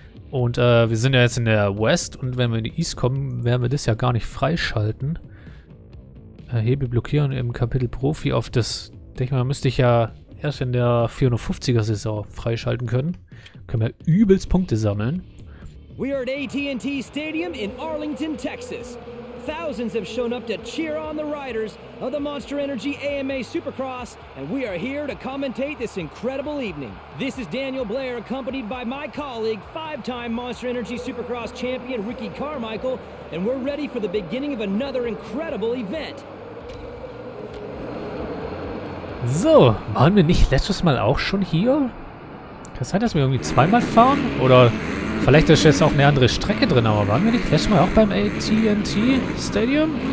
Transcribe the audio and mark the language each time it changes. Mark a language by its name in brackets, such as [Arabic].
[German] Und wir sind ja jetzt in der West und wenn wir in die East kommen, werden wir das ja gar nicht freischalten. Hebel blockieren im Kapitel Profi auf das, denke ich mal, müsste ich ja erst in der 450er Saison freischalten können. Können wir übelst Punkte sammeln. [English] We are at AT&T Stadium in Arlington, Texas. Thousands have shown up to cheer on the riders of the Monster Energy AMA Supercross, and we are here to commentate this incredible evening. This is Daniel Blair, accompanied by my colleague, five-time Monster Energy Supercross champion Ricky Carmichael, and we're ready for the beginning of another incredible event. [German] So, waren wir nicht letztes Mal auch schon hier? Kann sein, dass wir irgendwie zweimal fahren? Oder vielleicht ist jetzt auch eine andere Strecke drin, aber waren wir nicht letztes Mal auch beim AT&T Stadium?